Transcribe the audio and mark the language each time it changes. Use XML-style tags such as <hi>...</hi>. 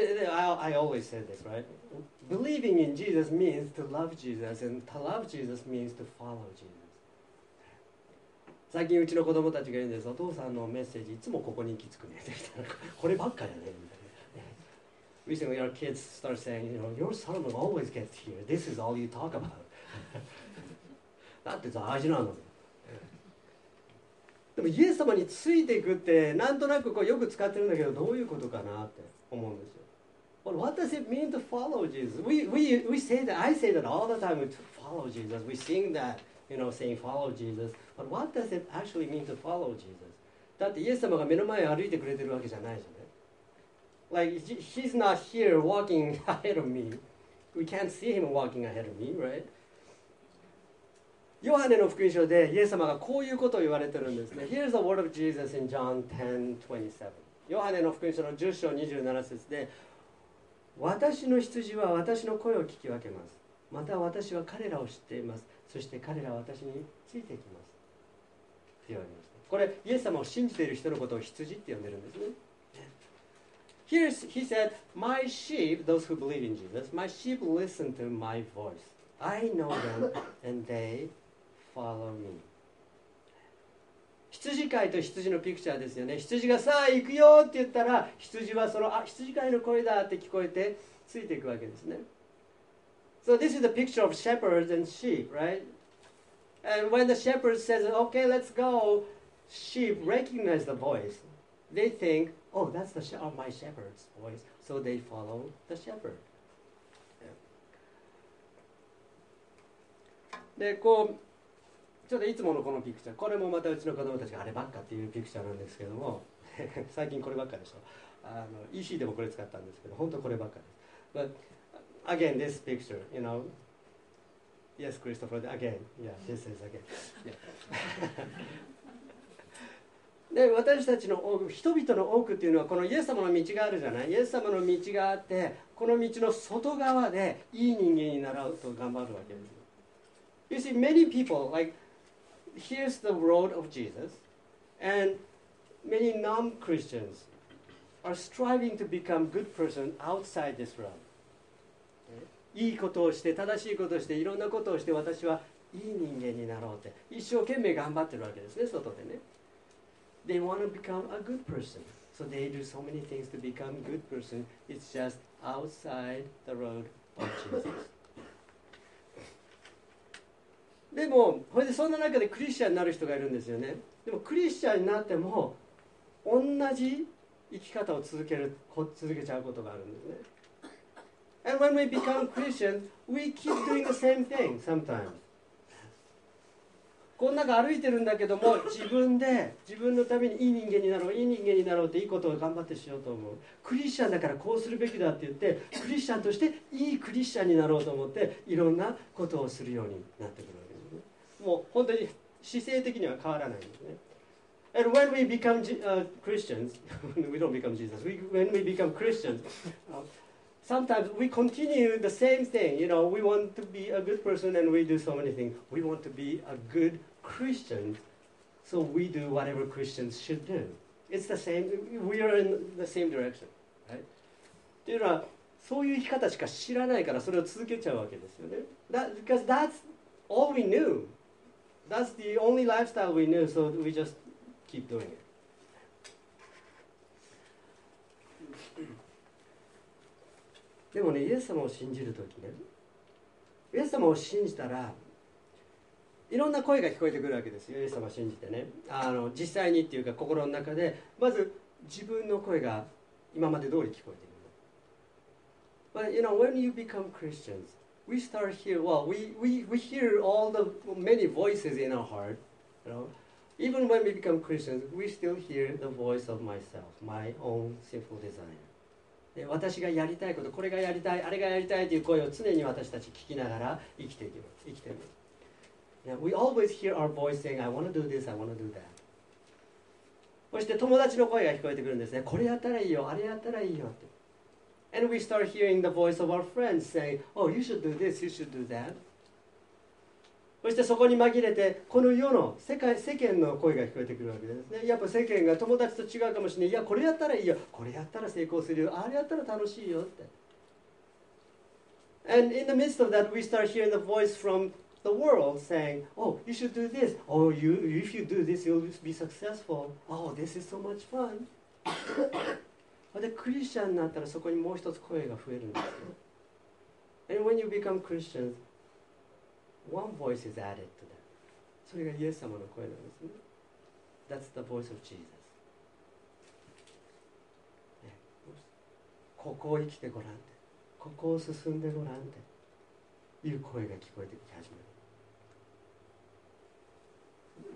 <en>I always say this, right? Believing in Jesus means to love Jesus, and to love Jesus means to follow Jesus.</en> <ja>最近うちの子供たちが言うんです。お父さんのメッセージいつもここに行き着くねって。こればっかやねみたいな。</ja> <en>Recently, our kids start saying, you know, your sermon always gets here. This is all you talk about.</en> <ja>だって大事なの。でもイエス様についていくってなんとなくこうよく使ってるんだけどどういうことかなって。思うんですよ。</ja> <en>But what does it mean to follow Jesus? We say that, I say that all the time, to follow Jesus. We sing that, you know, saying follow Jesus. But what does it actually mean to follow Jesus?</en> <ja>だってイエス様が目の前を歩いてくれてるわけじゃないじゃない。</ja> <en>Like, he's not here walking ahead of me. We can't see him walking ahead of me, right?</en> <ja>ヨハネの福音書でイエス様がこういうことを言われてるんですね。</ja> <en>Here's the word of Jesus in John 10:27.</en> <ja>ヨハネの福音書の10章27節で、私の羊は私の声を聞き分けます、また私は彼らを知っています、そして彼らは私についてきますって言われました。これイエス様を信じている人のことを羊って呼んでるんですね。</ja> <en>Here's, He said, My sheep, those who believe in Jesus, My sheep listen to my voice. I know them and they follow me.</en> <ja>羊飼いと羊のピクチャーですよね。羊がさあ行くよって言ったら、羊はそのあ羊飼いの声だって聞こえてついていくわけですね。</ja> <en>So this is the picture of shepherds and sheep, right? And when the shepherd says, okay, let's go, sheep recognize the voice. They think, oh, that's the my shepherd's voice. So they follow the shepherd.、Yeah.</en> <ja>で、こう、ちょっといつものこのピクチャー、これもまたうちの子供たちがあればっかっていうピクチャーなんですけども最近こればっかでしょ。あの EC でもこれ使ったんですけど本当こればっかです。</ja> <en>But again this picture, you know, yes Christopher, again, yeah, this is again、yeah.</en> <ja>で私たちの多く、人々の多くっていうのはこのイエス様の道があるじゃない、イエス様の道があってこの道の外側でいい人間になろうと頑張るわけです。</ja> <en>You see many people likeHere's the road of Jesus, and many non-Christians are striving to become good person outside this road.</en> <ja>いいことをして、正しいことをして、いろんなことをして、私はいい人間になろうって、一生懸命頑張ってるわけですね、外でね。</ja> <en>They want to become a good person, so they do so many things to become good person. It's just outside the road of Jesus.</en> <ja>でもそれでそんな中でクリスチャンになる人がいるんですよね。でもクリスチャンになっても同じ生き方を続けちゃうことがあるんですね。</ja> <en>And when we become Christian, we keep doing the same thing sometimes.</en> <ja>こんなか歩いてるんだけども、自分で自分のためにいい人間になろう、いい人間になろうっていいことを頑張ってしようと思う。クリスチャンだからこうするべきだって言って、クリスチャンとしていいクリスチャンになろうと思って、いろんなことをするようになってくるわけですね。もう本当に姿勢的には変わらないんですね。</ja> <en>And when we become Christians, we don't become Jesus. When we become Christians, sometimes we continue the same thing. You know, we want to be a good person and we do so many things. We want to be a good Christian, so we do whatever Christians should do. It's the same, we are in the same direction, right?</en> <ja>というのは、そういう生き方しか知らないからそれを続けちゃうわけですよね。</ja> <en>Because that's all we knew. That's the only lifestyle we knew, so we justKeep doing it.</en> <ja>でもね、イエス様を信じるときね、イエス様を信じたら、いろんな声が聞こえてくるわけですよ。イエス様を信じてね、実際にっていうか心の中でまず自分の声が今まで通り聞こえてくる。</ja> <en>But you know, when you become Christians, we start hear, well, we hear all the many voices in our heart, you know. Even when we become Christians, we still hear the voice of myself, my own sinful desire.</en> <ja>で、私がやりたいこと、これがやりたい、あれがやりたいという声を常に私たち聞きながら生きていきます。生きています。</ja> <en>Yeah, we always hear our voice saying, I want to do this, I want to do that.</en> <ja>そして友達の声が聞こえてくるんですね。これやったらいいよ、あれやったらいいよって。</ja> <en>And we start hearing the voice of our friends saying, oh, you should do this, you should do that.</en> <ja>そしてそこに紛れて、この世の世間の声が聞こえてくるわけですね。やっぱ世間が友達と違うかもしれない。いや、これやったらいいよ。これやったら成功するよ。あれやったら楽しいよって。</ja> <en>And in the midst of that, we start hearing the voice from the world saying, Oh, you should do this. Oh, if you do this, you'll be successful. Oh, this is so much fun.</en> <ja>で、クリスチャンになったらそこにもう一つ声が増えるんですよ。</ja> <en>And when you become Christian,One voice is added to that.</en> <ja>それがイエス様の声なんですね。</ja> <en>That's the voice of Jesus.</en> <ja>ここを生きてごらんって、ここを進んでごらんって、いう声が聞こえてき始める。</ja>